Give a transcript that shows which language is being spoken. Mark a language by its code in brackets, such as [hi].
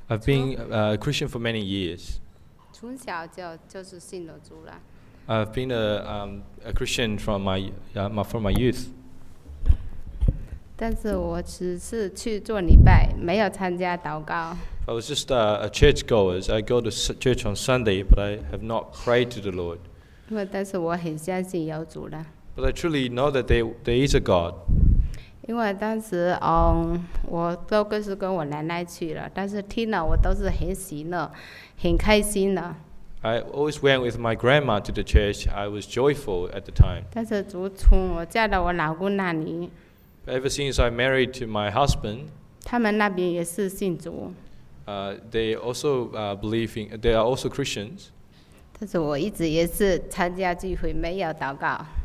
[en] I've been a Christian for many years。 [zh] 从小就是信了主了。 [en] I've been a Christian from my youth。 [zh] 但是我只是去做礼拜，没有参加祷告。 [en] I was just a churchgoer. I go to church on Sunday, but I have not prayed to the Lord。 [zh] 但是我很相信有主了。 [en] But I truly know that there is a God. [zh] 因为当时，我都跟是跟我奶奶去了，但是听了我都是很喜乐，很开心的。 [en] I always went with my grandma to the church. I was joyful at the time. [zh] 但是主从我嫁到我老公那里。 [en] Ever since I married to my husband. [zh] 他们那边也是信主。 [en] They also believe in. They are also Christians. [zh] 但是我一直也是参加聚会，没有祷告。